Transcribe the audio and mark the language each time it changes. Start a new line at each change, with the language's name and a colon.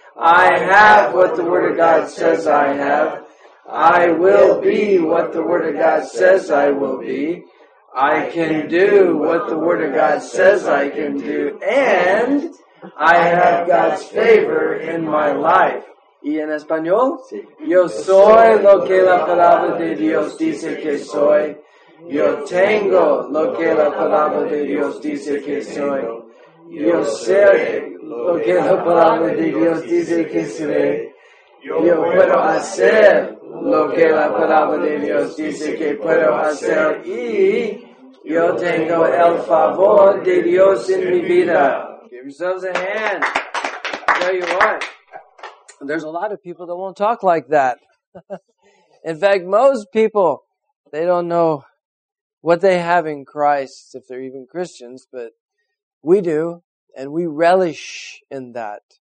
English: I have what the Word of God says I have. I will be what the Word of God says I will be. I can do what the Word of God says I can do. And I have God's favor in my life.
Spanish: ¿Y en español? Yo soy lo que la palabra de Dios dice que soy. Yo tengo lo que la palabra de Dios dice que soy. Yo seré lo que la palabra de Dios dice que seré. Yo puedo hacer lo que la palabra de Dios dice que puedo hacer. Y yo tengo el favor de Dios en mi vida.
English: Give yourselves a hand. I'll tell you what. There's a lot of people that won't talk like that. In fact, most people, they don't know what they have in Christ, if they're even Christians, but we do, and we relish in that.